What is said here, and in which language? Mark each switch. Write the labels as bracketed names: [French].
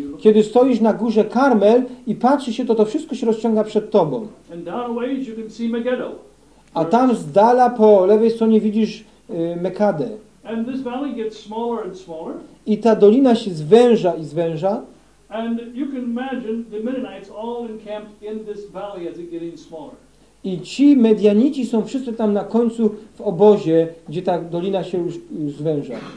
[Polish] kiedy stoisz na górze Karmel i patrzy się, to wszystko się rozciąga przed tobą. [English] And down away you can see Megiddo, [Polish] a tam z dala po lewej stronie widzisz Mekadę. [English] And this valley gets smaller and smaller. [Polish] I ta dolina się zwęża i zwęża. [English] And you can imagine the Midianites all encamped in this valley as it's getting smaller. [Polish] I ci Medianici są wszyscy tam na końcu w obozie, gdzie ta dolina się już zwęża.